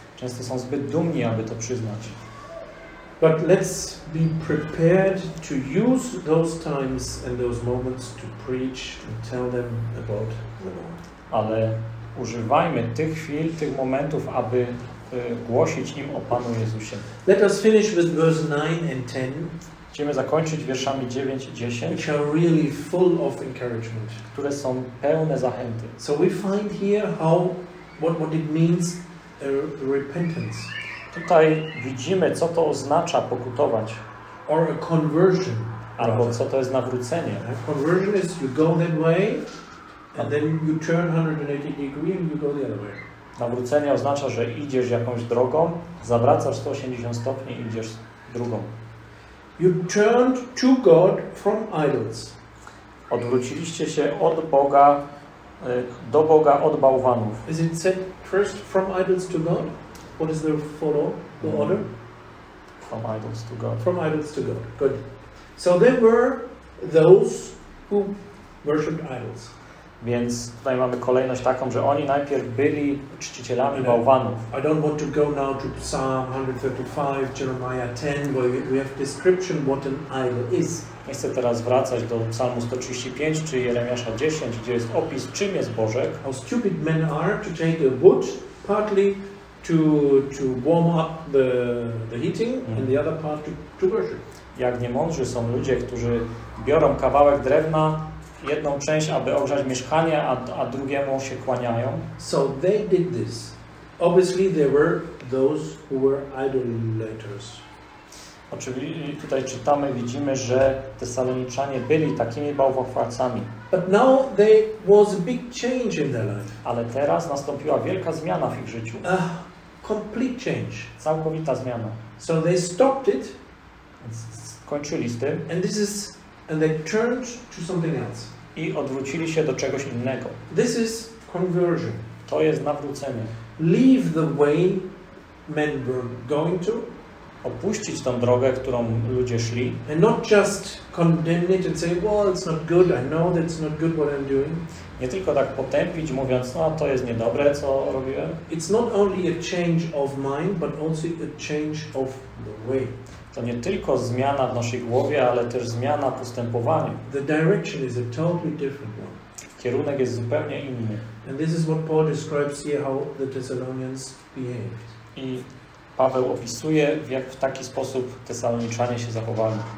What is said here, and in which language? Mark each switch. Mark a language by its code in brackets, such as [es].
[pl] Często są zbyt dumni, aby to przyznać. [en] But let's be prepared to use those times and those moments to preach and tell them about the Lord. [pl] Ale używajmy tych chwil, tych momentów, aby głosić im o Panu Jezusie. [en] Let us finish with verse 9 and 10. [pl] Chcemy zakończyć wierszami 9 i 10, [en] which are really full of encouragement. [pl] Które są pełne zachęty. [en] So we find here how what it means repentance. [pl] Tutaj widzimy, co to oznacza pokutować. [en] Or a conversion. [pl] Albo co to jest nawrócenie. [en] A conversion is you go that way and then you turn 180 degrees and you go the other way. [pl] Nawrócenie oznacza, że idziesz jakąś drogą, zawracasz 180 stopni i idziesz drugą. [en] You turned to God from idols. [pl] Odwróciliście się od Boga, do Boga od bałwanów. [en] Is it said first from idols to God? What is the follow, the order? From idols to God. From idols to God. Good. So there were those who worshipped idols. [pl] Więc tutaj mamy kolejność taką, że oni najpierw byli czcicielami bałwanów. [en] I don't want to go now to Psalm 135, Jeremiah 10, where we have description what an idol is. [pl] Nie chcę teraz wracać do Psalmu 135 czy Jeremiasza 10, gdzie jest opis, czym jest Bożek. [en] How stupid men are to take a wood, partly to warm up the heating and the other part to worship. [pl] Jak niemądrzy są ludzie, którzy biorą kawałek drewna, jedną część, aby ogrzać mieszkanie, a drugiemu się kłaniają. [en] So they did this. Obviously there were those who were idolaters. [pl] Oczywiście tutaj czytamy, widzimy, że Tesaloniczanie byli takimi bałwochwalcami. [en] But now there was a big change in their life. [pl] Ale teraz nastąpiła wielka zmiana w ich życiu. [en] Complete change. [pl] Całkowita zmiana. [en] So they stopped it. [pl] Skończyli z tym. [en] And they turned to something else. [pl] I odwrócili się do czegoś innego. [en] This is conversion. [pl] To jest nawrócenie. [en] Leave the way men were going to. [pl] Opuścić tą drogę, którą ludzie szli. [en] And not just condemn it and say, well, it's not good. I know that it's not good what I'm doing. [pl] Nie tylko tak potępić, mówiąc, no to jest niedobre, co robiłem. [en] It's not only a change of mind, but also a change of the way. [pl] To nie tylko zmiana w naszej głowie, ale też zmiana w postępowaniu. [en] The direction is a totally different one. [pl] Kierunek jest zupełnie inny. [en] And this is what Paul describes here, how the Thessalonians behaved. [pl] I Paweł opisuje, jak w taki sposób Tesaloniczanie się zachowali.